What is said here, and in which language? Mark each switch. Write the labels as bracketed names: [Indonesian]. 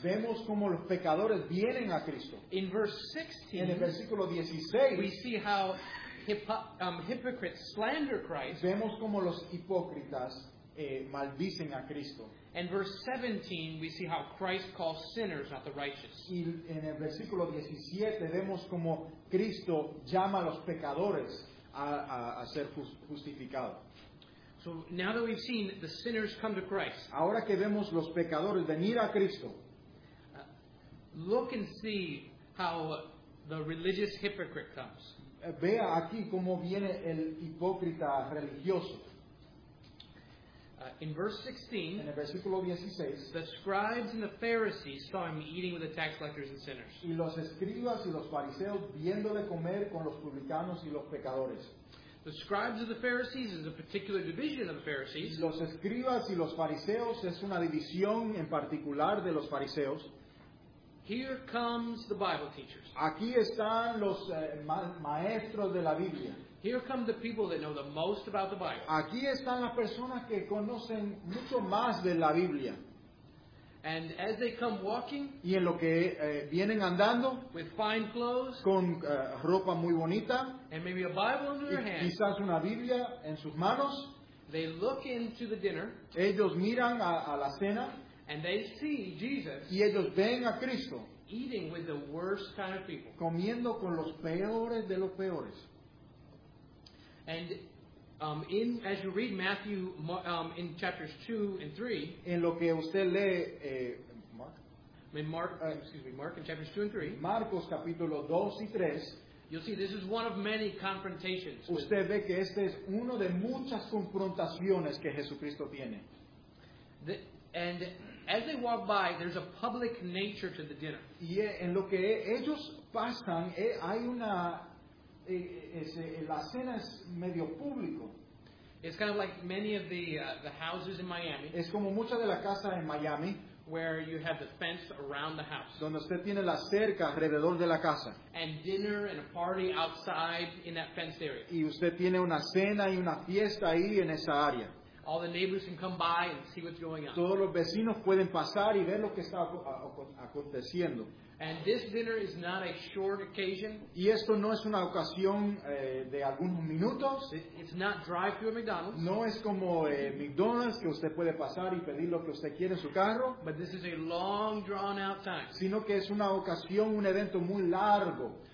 [Spanish] Vemos como los pecadores vienen a Cristo. [English] In verse 16, [Spanish] en el versículo 16, [English] we see how hypocrites slander Christ. [Spanish] Vemos como los hipócritas maldicen a Cristo. [English] In verse 17, we see how Christ calls sinners, not the righteous. [Spanish] Y en el versículo 17 vemos como Cristo llama a los pecadores a ser justificados. [English] So now that we've seen the sinners come to Christ, [Spanish] ahora que vemos los pecadores venir a Cristo, [English] look and see how the religious hypocrite comes. [Spanish] Vea aquí cómo viene el hipócrita religioso. [English] In verse 16, [Spanish] en el versículo 16, [English] the scribes and the Pharisees saw him eating with the tax collectors and sinners. [Spanish] Y los escribas y los fariseos viéndole comer con los publicanos y los pecadores. [English] The scribes and the Pharisees is a particular division of the Pharisees. [Spanish] Los escribas y los fariseos es una división en particular de los fariseos. [English] Here comes the Bible teachers. [Spanish] Aquí están los maestros de la Biblia. [English] Here come the people that know the most about the Bible. [Spanish] Aquí están las personas que conocen mucho más de la Biblia. [English] And as they come walking, [Spanish] y en lo que vienen andando, [English] with fine clothes, [Spanish] con ropa muy bonita, [English] and maybe a Bible in their hands, [Spanish] quizás una Biblia en sus manos, [English] they look into the dinner, [Spanish] ellos miran a la cena, [English] And they see Jesus. [Spanish] Y ellos ven a Cristo. [English] Eating with the worst kind of people. [Spanish] Comiendo con los peores de los peores. [English] And in as you read Matthew in chapters 2 and 3, [Spanish] en lo que usted lee [English] Mark in chapters 2 and 3, [Spanish] Marcos capítulo 2 y 3, [English] you'll see this is one of many confrontations. [Spanish] Usted ve que este es uno de muchas confrontaciones que Jesucristo tiene. [English] And as they walk by, there's a public nature to the dinner. [Spanish] Y en lo que ellos pasan, hay una la cena es medio público. [English] It's kind of like many of the houses in Miami. [Spanish] Es como muchas de las casas en Miami, [English] where you have the fence around the house. [Spanish] Donde usted tiene la cerca alrededor de la casa. [English] And dinner and a party outside in that fenced area. [Spanish] Y usted tiene una cena y una fiesta ahí en esa área. [English] All the neighbors can come by and see what's going on. [Spanish] Todos los vecinos pueden pasar y ver lo que está aconteciendo. [English] And this dinner is not a short occasion. [Spanish] Y esto no es una ocasión de algunos minutos. [English] It's not drive-through at McDonald's. [Spanish] No es como McDonald's que usted puede pasar y pedir lo que usted quiere en su carro. [English] But this is a long drawn-out time. [Spanish] Sino que es una ocasión, un evento muy largo.